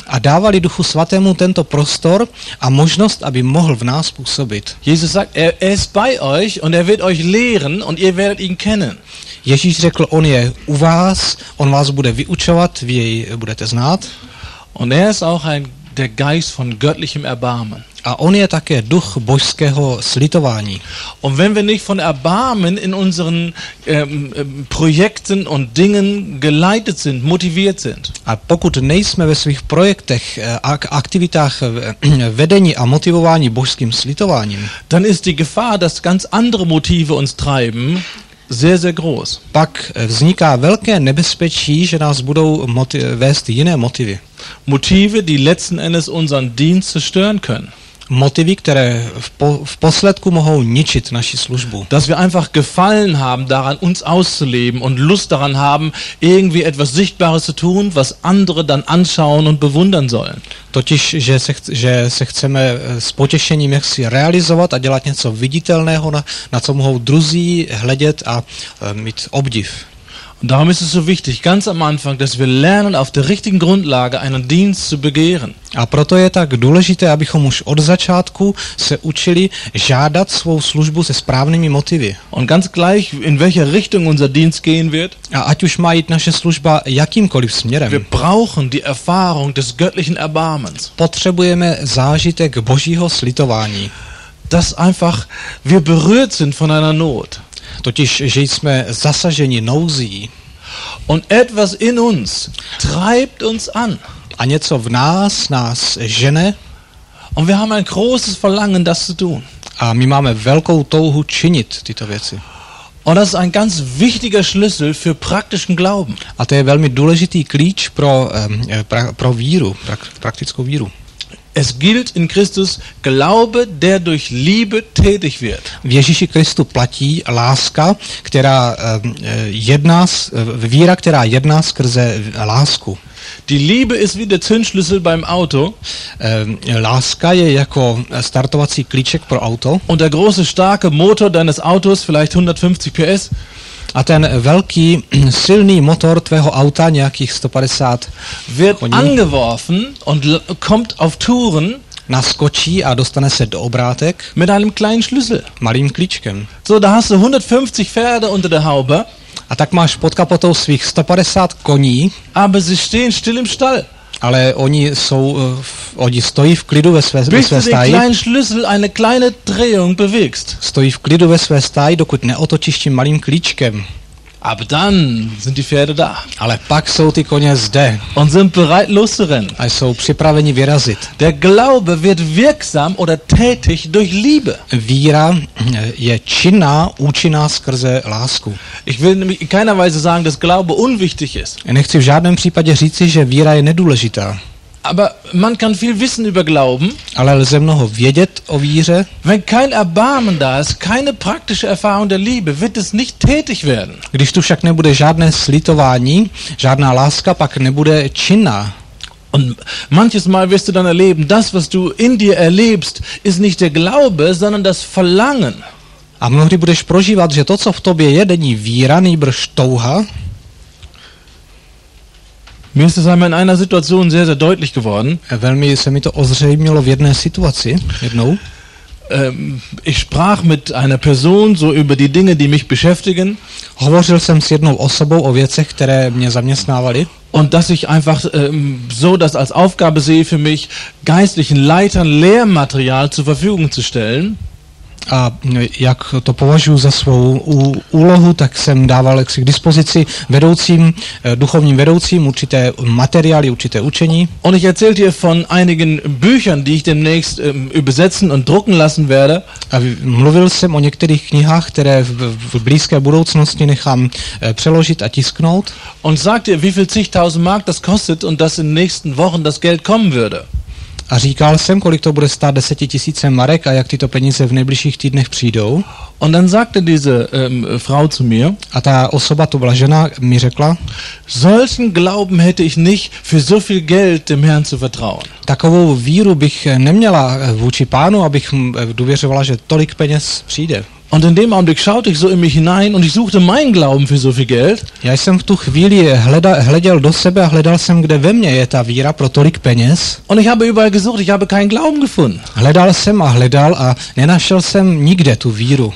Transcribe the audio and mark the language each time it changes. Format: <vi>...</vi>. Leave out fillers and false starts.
<cs>A dávali Duchu svatému tento prostor a možnost, aby mohl v nás působit.</cs> <de>Jesus sagt, er ist bei euch und er wird euch lehren und ihr werdet ihn kennen.</de> <cs>Ježíš řekl, on je u vás, on vás bude vyučovat, vy jej budete znát.</cs> <de>Und er ist auch der Geist von göttlichem Erbarmen.</de> <cs>A on je také duch božského slitování.</cs> <de>Und wenn wir nicht von Erbarmen in unseren Projekten und Dingen geleitet sind, motiviert sind.</de> <cs>A pokud nejsme ve svých projektech a aktivitách vedení a motivování božským slitováním,</cs> <de>dann ist die Gefahr, dass ganz andere Motive uns treiben, sehr, sehr groß.</de> <cs>Pak vzniká velké nebezpečí, že nás budou vést jiné motivy.</cs> <de>Motive, die letzten Endes unseren Dienst zerstören können.</de> <cs>Motivy, které v posledku mohou ničit naši službu.</cs> <de>Dass wir einfach gefallen haben daran, uns auszuleben und Lust daran haben, irgendwie etwas Sichtbares zu tun, was andere dann anschauen und bewundern sollen.</de> <cs>Totiž, že se chceme s potěšením jaksi realizovat a dělat něco viditelného, na co mohou druzí hledět a mít obdiv.</cs> <de>Und darum ist es so wichtig, ganz am Anfang, dass wir lernen, auf der richtigen Grundlage einen Dienst zu begehren.</de> <cs>A proto je tak důležité, abychom už od začátku se učili žádat svou službu se správnými motivy.</cs> <de>Und ganz gleich, in welcher Richtung unser Dienst gehen wird.</de> <cs>A ať už má jít naše služba jakýmkoliv směrem.</cs> <de>Wir brauchen die Erfahrung des göttlichen Erbarmens.</de> <cs>Potřebujeme zážitek Božího slitování.</cs> <de>Dass einfach wir berührt sind von einer Not.</de> <cs>Totiž, že jsme zasaženi nouzí.</cs> <de>Und etwas in uns treibt uns an.</de> <cs>A něco v nás žene.</cs> <de>Und wir haben ein großes Verlangen, das zu tun.</de> <cs>A my máme velkou touhu činit tyto věci.</cs> <de>Und das ist ein ganz wichtiger Schlüssel für praktischen Glauben.</de> <cs>A to je velmi důležitý klíč pro víru, praktickou víru.</cs> <de>Es gilt in Christus Glaube, der durch Liebe tätig wird.</de> <cs>V Ježíši Kristu platí láska, která jedná, víra, která jedná skrze lásku.</cs> <de>Die Liebe ist wie der Zündschlüssel beim Auto.</de> <cs>Láska je jako startovací klíček pro auto.</cs> <de>Und der große starke Motor deines Autos, vielleicht 150 PS.</de> <cs>A ten velký silný motor tvého auta, nějakých 150</cs> <de>wird</de> <cs>koní,</cs> <de>angeworfen und kommt auf Touren,</de> <cs>naskočí a dostane se do obrátek</cs> <de>mit einem kleinen Schlüssel,</de> <cs>malým klíčkem.</cs> <de>So, da hast du 150 Pferde unter der Haube.</de> <cs>A tak máš pod kapotou svých 150 koní.</cs> <de>Aber sie stehen still im Stall.</de> <cs>Ale oni jsou, oni stojí v klidu ve své stáji.</cs> <de>Kleinen Schlüssel eine kleine Drehung bewegst.</de> <cs>Stojí v klidu ve své stáji, dokud neotočíš tím malým klíčkem.</cs> <de>Ab dann sind die Pferde da.</de> <cs>Ale pak jsou ty koně zde.</cs> <de>Und sind bereit loszurennen.</de> <cs>A jsou připraveni vyrazit.</cs> <de>Der Glaube wird wirksam oder tätig durch Liebe.</de> <cs>Víra je činná, účinná skrze lásku.</cs> <de>Ich will nämlich in keiner Weise sagen, dass Glaube unwichtig ist.</de> <cs>Nechci v žádném případě říci, že víra je nedůležitá.</cs> <de>Aber man kann viel wissen über Glauben.</de> <cs>Ale lze mnoho vědět o víře.</cs> <de>Wenn kein Erbarmen da ist, keine praktische Erfahrung der Liebe, wird es nicht tätig werden.</de> <cs>Když tu však nebude žádné slitování, žádná láska, pak nebude činná.</cs> <de>Und manches Mal wirst du dann erleben, das, was du in dir erlebst, ist nicht der Glaube, sondern das Verlangen.</de> <cs>A mnohdy budeš prožívat, že to, co v tobě je, není víra, nýbrž touha.</cs> <de>Mir ist es einmal in einer Situation sehr, sehr deutlich geworden.</de> <cs>Velmi se mi to ozřejmilo v jedné situaci, jednou.</cs> <de>Ich sprach mit einer Person so über die Dinge, die mich beschäftigen.</de> <cs>Hovořil jsem s jednou osobou o věcech, které mě zaměstnávaly.</cs> <de>Und dass ich einfach so das als Aufgabe sehe für mich, geistlichen Leitern Lehrmaterial zur Verfügung zu stellen.</de> <cs>A jak to považuji za svou úlohu, tak jsem dával k dispozici vedoucím, duchovním vedoucím určité materiály, určité učení.</cs> <de>Und ich erzählte dir von einigen Büchern, die ich demnächst übersetzen und drucken lassen werde.</de> <cs>A mluvil jsem o některých knihách, které v blízké budoucnosti nechám přeložit a tisknout.</cs> <de>Und sag dir, wie viel zigtausend Mark das kostet und dass in den nächsten Wochen das Geld kommen würde.</de> <cs>A říkal jsem, kolik to bude stát 10 000 marek a jak tyto peníze v nejbližších týdnech přijdou.</cs> <de>Und dann sagte diese Frau zu mir.</de> <cs>A ta osoba, to byla žena, mi řekla:</cs> <de>"Solchen Glauben hätte ich nicht für so viel Geld dem Herrn zu vertrauen."</de> <cs>Takovou víru bych neměla vůči pánu, abych důvěřovala, že tolik peněz přijde.</cs> <de>Und in dem Augenblick schaute ich so in mich hinein und ich suchte meinen Glauben für so viel Geld.</de> <cs>Já jsem v tu chvíli hleděl do sebe a hledal jsem, kde ve mně je ta víra pro tolik peněz.</cs> <de>Und ich habe überall gesucht, ich habe keinen Glauben gefunden.</de> <cs>Hledal a nenašel jsem nikde tu víru.</cs>